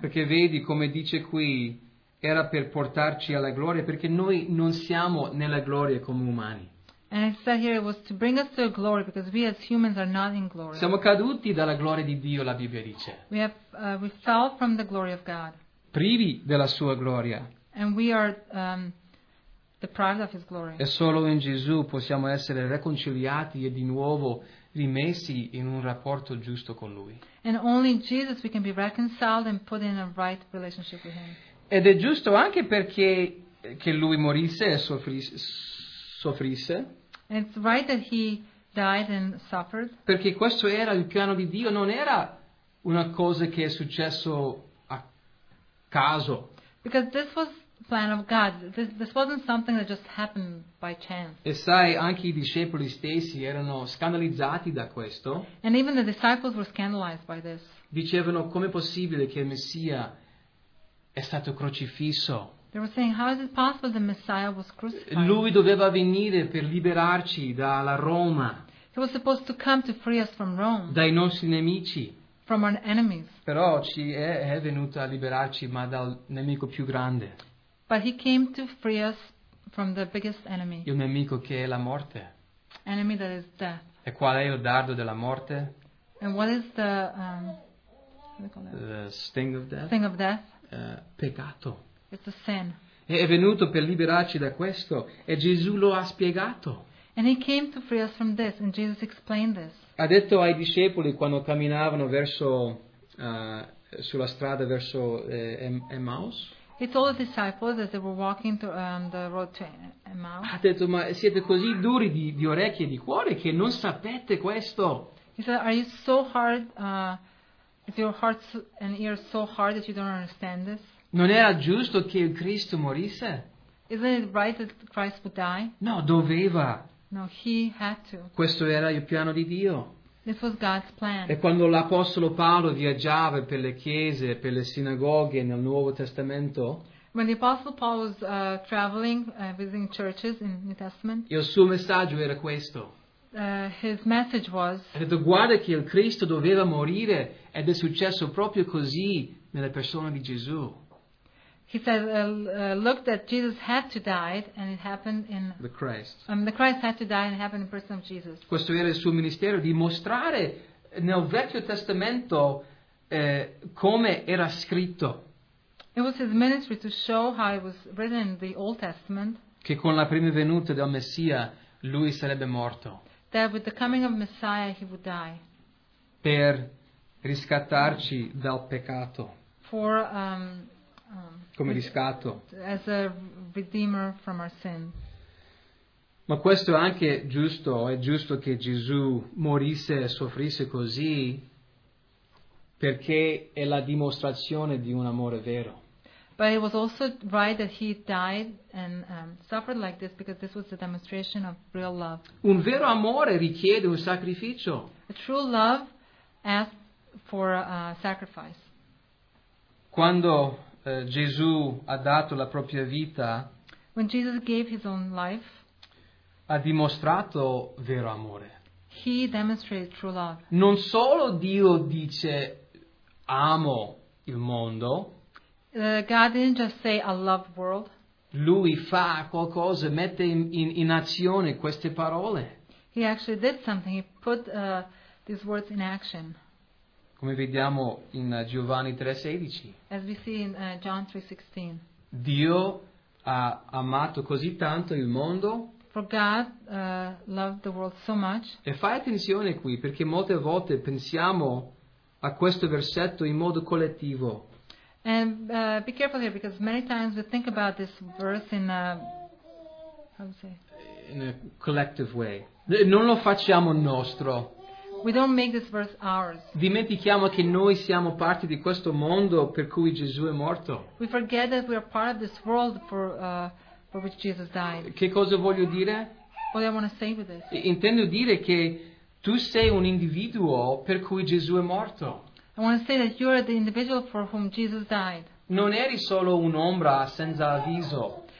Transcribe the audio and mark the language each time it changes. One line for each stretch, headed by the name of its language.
Italian: Perché vedi, come dice qui, era per portarci alla gloria, perché noi non siamo nella gloria come umani.
English: And it said here it was to bring us to a glory because we as humans are not in glory.
Italian: Siamo caduti dalla gloria di Dio, la Bibbia dice.
English: We fell from the glory of God.
Italian: Privi della sua gloria.
English: And we are deprived of his glory.
Italian: E solo in Gesù possiamo essere riconciliati e di nuovo rimessi in un rapporto giusto con lui.
English: And only in Jesus we can be reconciled and put in a right relationship with him.
Italian: Ed è giusto anche perché che lui morisse e soffrisse.
English: It's right that he died and suffered.
Italian: Perché questo era il piano di Dio, non era una cosa che è successo a caso.
English: Because this was plan of God. This wasn't something that just happened by chance.
Italian: E sai, anche i discepoli stessi erano scandalizzati da questo.
English: And even the disciples were scandalized by this.
Italian: Dicevano, com'è possibile che il Messia è stato crocifisso?
English: They were saying, how is it possible the Messiah was crucified?
Italian: Lui doveva venire per liberarci dalla Roma.
English: He was supposed to come to free us from Rome.
Italian: Dai nostri nemici.
English: From our enemies.
Italian: Però ci è venuto a liberarci, ma dal nemico più grande.
English: But he came to free us from the biggest enemy.
Italian: Il nemico che è la morte.
English: Enemy that is death.
Italian: E qual è il dardo della morte?
English: And what is the The sting of death? Sting of death.
Italian: Peccato.
English: It's a sin.
Italian: È venuto per liberarci da questo e Gesù lo ha spiegato.
English: And he came to free us from this and Jesus explained this.
Italian: Ha detto ai discepoli quando camminavano verso sulla strada verso Emmaus.
English: He told the disciples as they were walking to, the road to Emmaus.
Italian: Ha detto, ma siete così duri di orecchie e di cuore che non sapete questo.
English: He said, are you so hard, is your heart and ears so hard that you don't understand this?
Italian: Non era giusto che il Cristo morisse?
English: Isn't it right that Christ would die?
Italian: No, doveva.
English: No, he had to.
Italian: Questo era il piano di Dio.
English: This was God's plan.
Italian: E quando l'apostolo Paolo viaggiava per le chiese, per le sinagoghe nel Nuovo Testamento,
English: when the apostle Paul was traveling, visiting churches in the New Testament,
Italian: il suo messaggio era questo.
English: His message was.
Italian: Ha detto, guarda che il Cristo doveva morire ed è successo proprio così nella persona di Gesù.
English: He said, look that Jesus had to die and it happened in the Christ. The Christ had to die and it happened in the person of Jesus.
Italian: Questo era il suo ministero, dimostrare nel Vecchio Testamento come era scritto.
English: It was his ministry to show how it was written in the Old Testament.
Italian: Che con la prima venuta del Messia lui sarebbe morto.
English: That with the coming of Messiah he would die.
Italian: Per riscattarci dal peccato.
English: For
Italian: come riscatto.
English: As a redeemer from our sin.
Italian: Ma questo è anche giusto, è giusto che Gesù morisse e soffrisse così perché è la dimostrazione di un amore vero.
English: But it was also right that he died and suffered like this because this was a demonstration of real love.
Italian: Un vero amore richiede un sacrificio.
English: A true love asks for a sacrifice.
Italian: Quando Gesù ha dato la propria vita,
English: when Jesus gave his own life,
Italian: ha dimostrato vero amore.
English: He demonstrated true love.
Italian: Non solo Dio dice amo il mondo.
English: God didn't just say I love the world.
Italian: Lui fa qualcosa, mette in azione queste parole.
English: He actually did something. He put these words in action.
Italian: Come vediamo in Giovanni 3:16.
English: As we see in John 3:16.
Italian: Dio ha amato così tanto il mondo.
English: For God loved the world so much.
Italian: E fai attenzione qui perché molte volte pensiamo a questo versetto in modo collettivo.
English: And be careful here because many times we think about this verse in a in a collective way.
Italian: Non lo facciamo nostro.
English: We don't make this verse ours.
Italian: Dimentichiamo che noi siamo parte di questo mondo per cui Gesù è morto.
English: We forget that we are part of this world for which Jesus died.
Italian: Che cosa voglio dire?
English: What do I want to say with this?
Italian: Intendo dire che tu sei un individuo per cui Gesù è morto.
English: I want to say that you are the individual for whom Jesus died.
Italian: Non eri solo un'ombra senza avviso.